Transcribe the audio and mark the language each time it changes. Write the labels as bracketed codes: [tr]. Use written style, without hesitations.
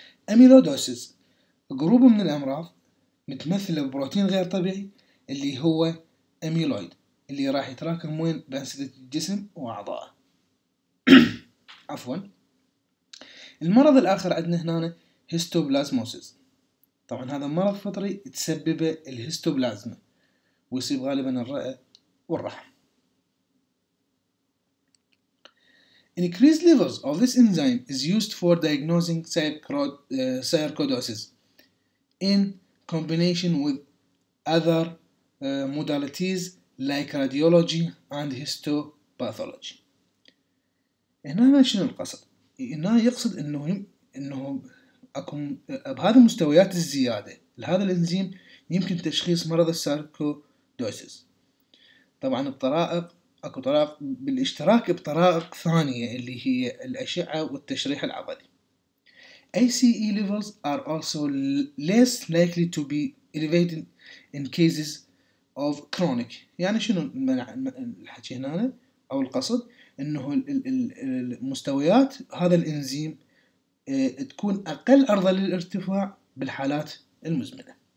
[ar] أميلودوسيس، جروب من الأمراض متمثل ببروتين غير طبيعي اللي هو أميلويد اللي راح يتراكم وين بأنسدة الجسم وأعضائه. عفواً. المرض الآخر عندنا هنا هيستوبلازموسيس، طبعاً هذا مرض فطري تسبب الهيستوبلازما ويصيب غالباً الرئة والرحم. [en] Increased levels of this enzyme is used for diagnosing sarcoidosis in combination with other modalities like radiology and histopathology. [ar] هنا ما شنو القصد؟ هنا يقصد انه اكون بهذه المستويات الزياده لهذا الانزيم يمكن تشخيص مرض الساركودوسيس. طبعا الطرائق اكو طرائق بالاشتراك بطرائق ثانيه اللي هي الاشعه والتشريح العضلي. [en] ACE levels are also less likely to be elevated in cases of chronic. [ar] يعني شنو الحكي هنا او القصد انه المستويات هذا الانزيم تكون اقل عرضه للارتفاع بالحالات المزمنه.